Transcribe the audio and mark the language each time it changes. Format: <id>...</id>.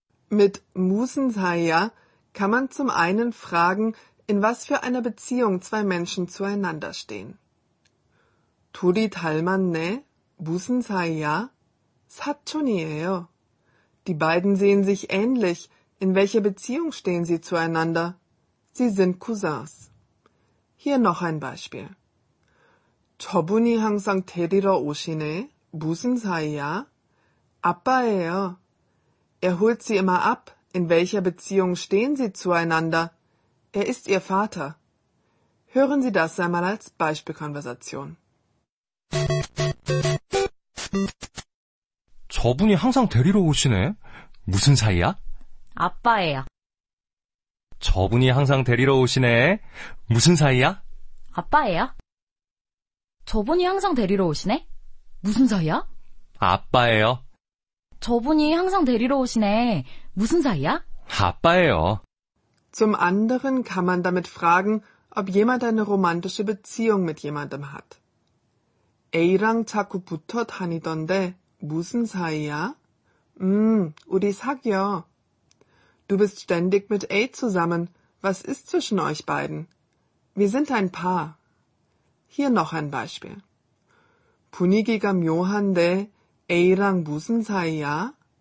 <de>Mit</de> <ko>"무슨 사이야"</ko> <de>kann man zum einen fragen, in was für einer Beziehung zwei Menschen zueinander stehen.</de> <ko>둘이 닮았네. 무슨 사이야? 사촌이에요.</ko> <de>Die beiden sehen sich ähnlich. In welcher Beziehung stehen sie zueinander? Sie sind Cousins. Hier noch ein Beispiel.</de> <ko>저분이 항상 데리러 오시네. 무슨 사이야? 아빠예요.</ko> <de>Er holt sie immer ab. In welcher Beziehung stehen sie zueinander? Er ist ihr Vater. Hören Sie das einmal als Beispielkonversation.</de> <ko>저분이 항상 데리러 오시네. 무슨 사이야? 아빠예요. 저분이 항상 데리러 오시네. 무슨 사이야? 아빠예요. 저분이 항상 데리러 오시네. 무슨 사이야? 아빠예요. 저분이 항상 데리러 오시네. 무슨 사이야? 아빠예요.</ko> <de>Zum anderen kann man damit fragen, ob jemand eine romantische Beziehung mit jemandem hat.</de> <ko>A랑 자꾸 붙어 다니던데 무슨 사이야? 우리 사귀어.</ko> <de>Du bist ständig mit A zusammen. Was ist zwischen euch beiden? Wir sind ein Paar. Hier noch ein Beispiel.</de> <ko>분위기가 묘한데 A랑 무슨 사이야?</ko>